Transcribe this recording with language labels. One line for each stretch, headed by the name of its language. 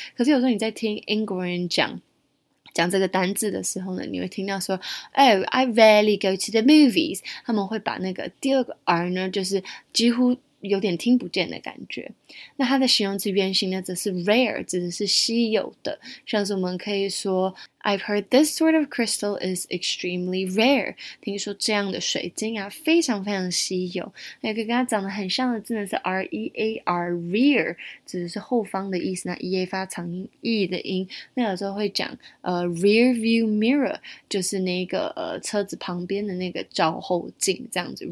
Chinese: 可是有时候你在听英国人讲这个单字的时候呢，你会听到说
English: Oh, I rarely go to the movies.
Chinese: 他们会把那个第二个 R 呢就是几乎有点听不见的感觉。那它的形容词原型呢则是 rare, 指的是稀有的。像是我们可以说
English: I've heard this sort of crystal is extremely rare.
Chinese: 听说这样的水晶啊非常非常稀有。那个跟它长得很像的字呢是 rear, rear, 指的是后方的意思。那 ea 发长音 e 的音。那有时候会讲
English: rear view mirror,
Chinese: 就是那个车子旁边的那个照后镜这样子。